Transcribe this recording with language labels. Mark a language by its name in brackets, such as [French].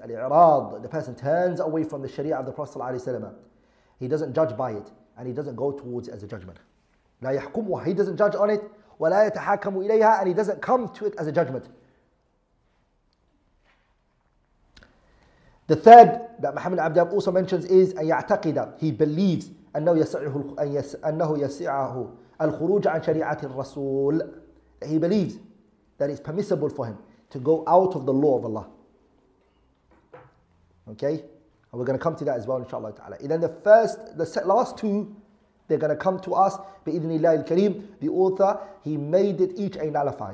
[English] Al-i'rad, the person turns away from the sharia of the Prophet ﷺ. He doesn't judge by it and he doesn't go towards it as a judgment. [Arabic] لا يحكمه. [English] He doesn't judge on it. [Arabic] ولا يتحكم إليها. [English] And he doesn't come to it as a judgment. The third that Muhammad Abdab also mentions is [Arabic] أن يعتقد. [English] He believes [Arabic] أنه يسعه الخروج عن شريعة الرسول. [English] He believes that it's permissible for him to go out of the law of Allah. Okay, and we're going to come to that as well, inshallah ta'ala. And then the last two. They're going to come to us, بإذن الله الكريم. The author, he made it each a nullifier.